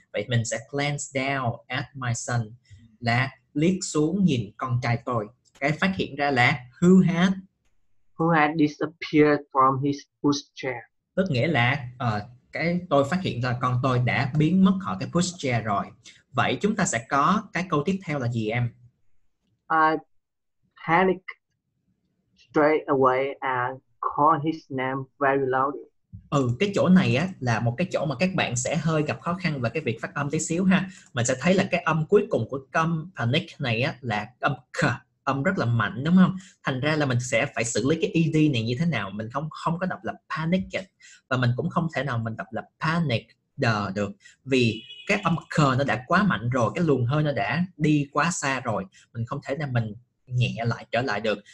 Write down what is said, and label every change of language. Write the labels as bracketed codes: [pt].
[vi] Vậy mình sẽ [en] glance down at my son, [vi] là liếc xuống nhìn con trai tôi. Cái phát hiện ra là [en] who had disappeared from his pushchair. [vi] Tức nghĩa là cái tôi phát hiện ra con tôi đã biến mất khỏi cái pushchair rồi. Vậy chúng ta sẽ có cái câu tiếp theo là gì em? [en] I panicked straight away and call his name very loudly. [vi] Ừ, cái chỗ này á là một cái chỗ mà các bạn sẽ hơi gặp khó khăn về cái việc phát âm tí xíu ha. Mình sẽ thấy là cái âm cuối cùng của câm panic này á là âm k, âm rất là mạnh, đúng không? Thành ra là mình sẽ phải xử lý cái ed này như thế nào. Mình không có đọc là panic, và mình cũng không thể nào mình đọc là panic the được, vì cái âm k nó đã quá mạnh rồi, cái luồng hơi nó đã đi quá xa rồi, mình không thể nào mình nhẹ lại trở lại được.